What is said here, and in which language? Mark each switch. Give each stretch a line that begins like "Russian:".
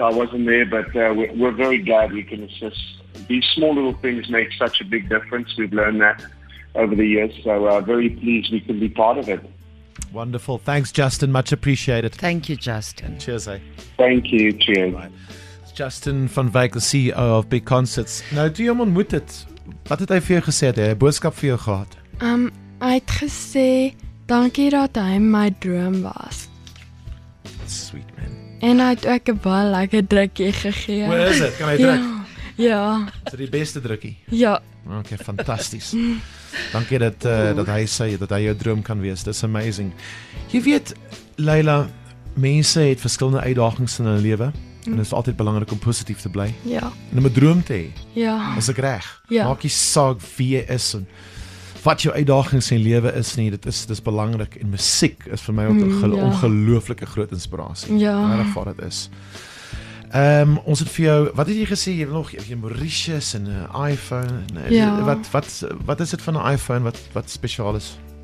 English: I wasn't there, but we're very glad we can assist. These small little things make such a big difference. We've learned that over the years, so very pleased we can be part of it. Wonderful. Thanks, Justin. Much appreciated. Thank you, Justin. Cheers, eh? Thank you. Cheers. Right. Justin van Wyk, the CEO of Big Concerts.
Afrikaans: Nou, toe jy hom ontmoet het, wat het hy vir jou gesê, het hy een boodskap vir jou gehad? Hy het gesê, dankie dat hy my droom was.
English: Sweet man.
Afrikaans: En hy het ook een baie lekker drukkie gegeen. Hoe is het? Kan hy druk? Ja. Is dit die beste drukkie? Ja. Okay, fantastisch. Dankie dat hy sê, dat hy jou droom kan wees. Dis amazing. Jy weet, Layla, mense het verskillende uitdagings in hulle lewe. En dit is altyd belangrik om positief te bly. Ja. En om 'n droom te hê. Ja. Is ek reg? Ja. Maak jy saak wie jy is en wat jou uitdagings in jou lewe is nie. Dit is belangrik. En musiek is vir my ook ongelooflike groot inspirasie. Ja. Waar ervaar dit is. Ons het vir jou, wat het jy gesê, jy wil nog, jy Mauritius en iPhone, en, ja. wat is het van een iPhone, wat speciaal is?